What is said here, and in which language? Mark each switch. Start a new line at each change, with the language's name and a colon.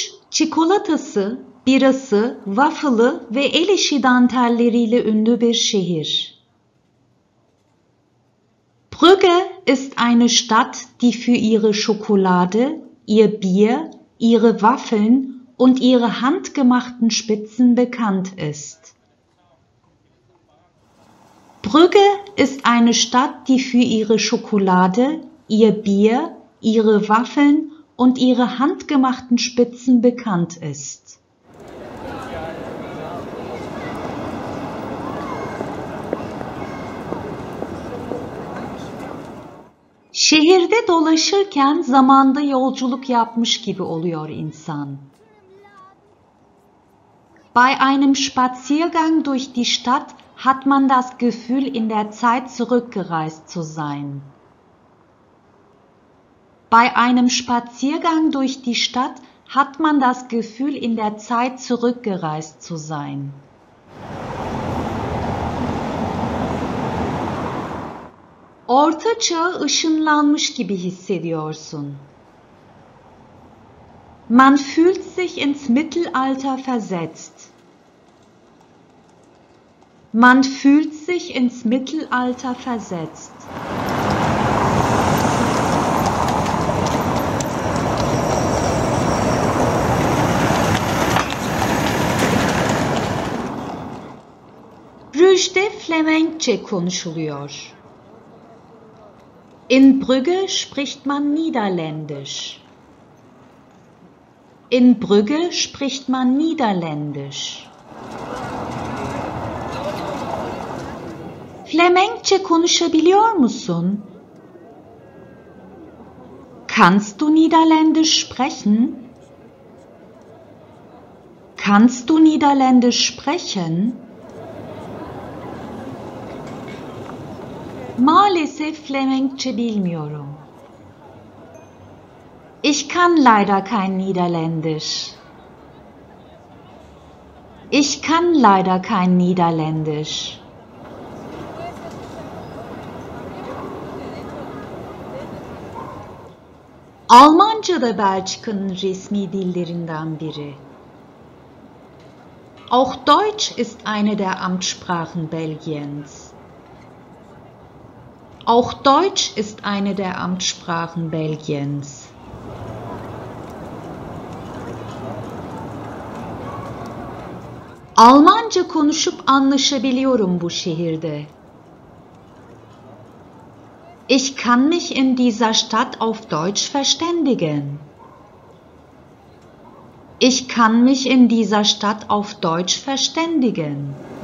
Turkish: Çikolatası, birası, waffle'ı ve el işi dantelleriyle ünlü bir şehir.
German: Brügge ist eine Stadt, die für ihre Schokolade, ihr Bier, ihre Waffeln und ihre handgemachten Spitzen bekannt ist. Brügge ist eine Stadt, die für ihre Schokolade, ihr Bier, ihre Waffeln und ihre handgemachten Spitzen bekannt ist.
Turkish: Şehirde dolaşırken zamanda yolculuk yapmış gibi oluyor insan.
German: Bei einem Spaziergang durch die Stadt hat man das Gefühl, in der Zeit zurückgereist zu sein. Bei einem Spaziergang durch die Stadt hat man das Gefühl, in der Zeit zurückgereist zu sein.
Turkish: Orta Çağ ışınlanmış gibi hissediyorsun.
German: Man fühlt sich ins Mittelalter versetzt. Man fühlt sich ins Mittelalter versetzt.
Turkish: Flämenkçe konuşuluyor.
German: In Brügge spricht man Niederländisch. In Brügge spricht man Niederländisch.
Turkish: Flämenkçe konuşabiliyor musun?
German: Kannst du Niederländisch sprechen? Kannst du Niederländisch sprechen?
Turkish: Maalesef Flemenkçe bilmiyorum.
German: Ich kann leider kein Niederländisch. Ich kann leider kein Niederländisch.
Turkish: Almanca da Belçika'nın resmi dillerinden biri.
German: Auch Deutsch ist eine der Amtssprachen Belgiens. Auch Deutsch ist eine der Amtssprachen Belgiens.
Turkish: Almanca konuşup anlaşabiliyorum bu şehirde.
German: Ich kann mich in dieser Stadt auf Deutsch verständigen. Ich kann mich in dieser Stadt auf Deutsch verständigen.